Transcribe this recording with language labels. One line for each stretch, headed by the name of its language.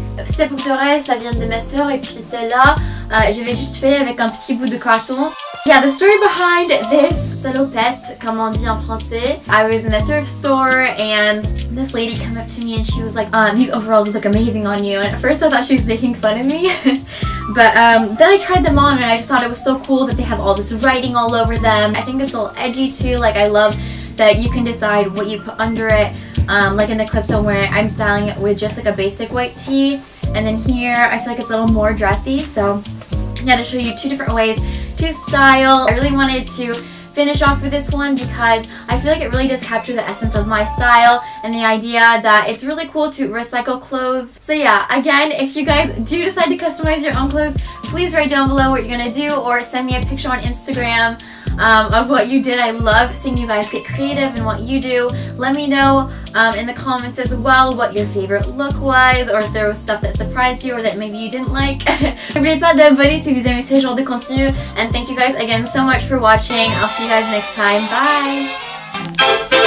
French: C'est pour de vrai, ça vient de ma soeur et puis celle-là, je vais juste faire avec un petit bout de carton.
English: Yeah, the story behind this
French: salopette, comme on dit en français.
English: I was in a thrift store and this lady came up to me and she was like, these overalls look amazing on you. And at first I thought she was making fun of me. But then I tried them on and I just thought it was so cool that they have all this writing all over them. I think it's a little edgy too. Like, I love that you can decide what you put under it. Like in the clips I'm wearing, I'm styling it with just like a basic white tee. And then here, I feel like it's a little more dressy. So yeah, to show you two different ways to style. I really wanted to finish off with this one because I feel like it really does capture the essence of my style and the idea that it's really cool to recycle clothes. So yeah, again, if you guys do decide to customize your own clothes, please write down below what you're gonna do or send me a picture on Instagram of what you did. I love seeing you guys get creative in what you do. Let me know in the comments as well what your favorite look was, or if there was stuff that surprised you or that maybe you didn't like.
French: N'oubliez pas d'abonner si vous aimez ce genre de contenu.
English: And thank you guys again so much for watching. I'll see you guys next time. Bye!